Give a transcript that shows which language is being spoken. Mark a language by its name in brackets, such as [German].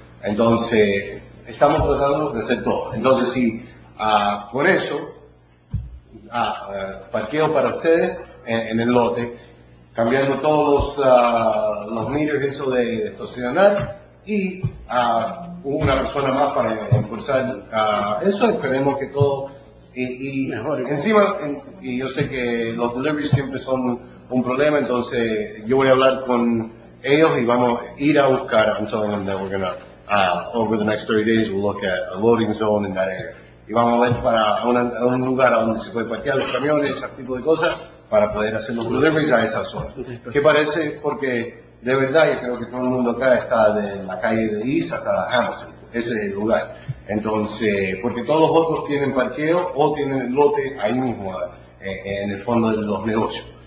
[Spanish] Entonces, estamos tratando de hacer todo. Entonces, si con eso, parqueo para ustedes en el lote, cambiando todos los meters, eso de estacionar, y una persona más para impulsar eso, esperemos que todo. Y mejor. Encima, y yo sé que los deliveries siempre son un problema, entonces yo voy a hablar con ellos y vamos a ir a buscar. [English] I'm telling them that we're going to. Over the next 30 days, we'll look at a loading zone in that area. [Spanish] Y vamos a ver para un lugar donde se puede parquear los camiones, ese tipo de cosas, para poder hacer los deliveries a esa zona. ¿Qué parece? Porque de verdad, yo creo que todo el mundo acá está en la calle de East hasta Hamilton. ese lugar. Entonces, porque todos los otros tienen parqueo o tienen lote ahí mismo, en el fondo de los negocios.